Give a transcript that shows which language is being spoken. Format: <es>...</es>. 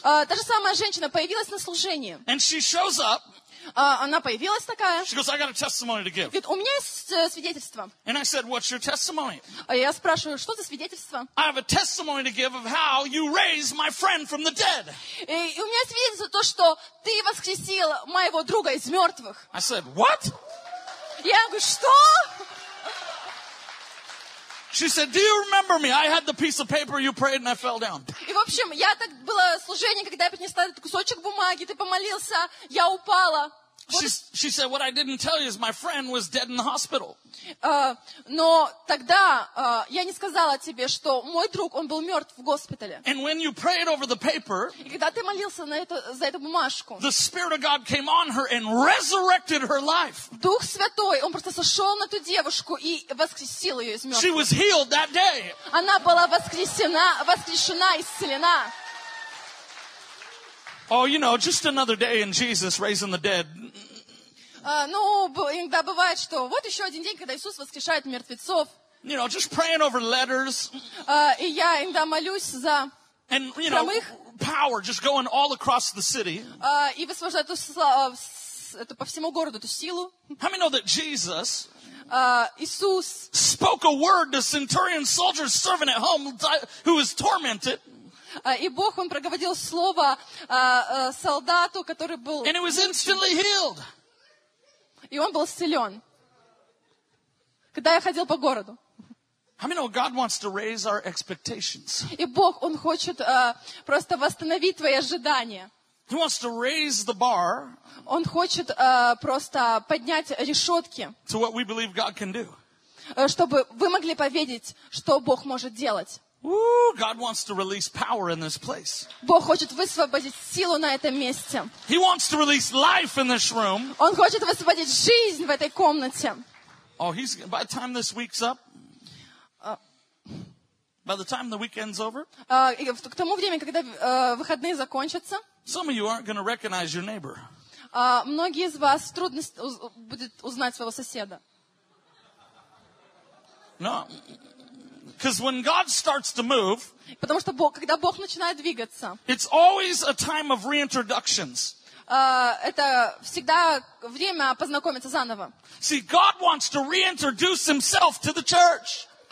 <ru>Та же самая женщина появилась на служении.</ru> <en>And she shows up.</en> <ru>Она появилась такая.</ru> <en>She goes, I got a testimony to give.</en> <ru>Говорит, у меня есть свидетельство.</ru> <en>And I said, what's your testimony?</en> <ru>Я спрашиваю, что за свидетельство?</ru> <en>I have a testimony to give of how you raised my friend from the dead.</en> <ru>И у меня свидетельство то, что ты воскресил моего друга из мертвых.</ru> <en>I said, what?</en> <ru>Я говорю, что?</ru> <en>She said, "Do you remember me? I had the piece of paper you prayed, and I fell down."</en> <ru>И в общем, я так было служение, когда я принесла этот кусочек бумаги, ты помолился, я упала.</ru> <en>She said, "What I didn't tell you is my friend was dead in the hospital."</en> <ru>Но тогда я не сказала тебе, что мой друг, он был мертв в госпитале.</ru> <en>And when you prayed over the paper,</en> <ru>и когда ты молился на это, за эту бумажку,</ru> <en>the Spirit of God came on her and resurrected her life.</en> <ru>Дух Святой, он просто сошел на ту девушку и воскресил ее из мертвых.</ru> <en>She was healed that day.</en> <ru>Она была воскрешена, исцелена.</ru> <en>Oh, you know, just another day in Jesus raising the dead.</en> <ru>Ну, иногда бывает, что вот еще один день, когда Иисус воскрешает мертвецов.</ru> <en>You know, just praying over letters.</en> <ru>И я иногда молюсь за</ru> <en>And, you know,</en> <ru>прямых.</ru> <en>Power just going all across the city.</en> <ru>И высвобождает это по всему городу, эту силу.</ru> <en>How many know that Jesus</en> <ru>Иисус</ru> <en>spoke a word to centurion soldier's servant at home who was tormented.</en> <ru>И Бог, он проговорил слово солдату, который был</ru> <en>And it was instantly healed.</en> <ru>И он был исцелен. Когда я ходил по городу.</ru> <en>How many know God wants to raise our expectations?</en> <ru>И Бог, Он хочет просто восстановить твои ожидания.</ru> <en>He wants to raise the bar.</en> <ru>Он хочет просто поднять решетки.</ru> <en>To what we believe God can do.</en> <ru>Чтобы вы могли поверить, что Бог может делать.</ru> <en>God wants to release power in this place.</en> <ru>Бог хочет высвободить силу на этом месте.</ru> <en>He wants to release life in this room.</en> <ru>Он хочет высвободить жизнь в этой комнате.</ru> <en>Oh, he's by the time this week's up. By the time the weekend's over.</en> <ru>К тому времени, когда выходные закончатся.</ru> <en>Some of you aren't going to recognize your neighbor.</en> <ru>Многие из вас трудно будет узнать своего соседа.</ru> <en>No. Because when God starts to move,</en> <ru>потому что Бог, когда Бог начинает двигаться,</ru> <en>it's always a time of reintroductions.</en> <ru>Это всегда время познакомиться заново.</ru> <en>See, God wants to reintroduce Himself to the church.</en>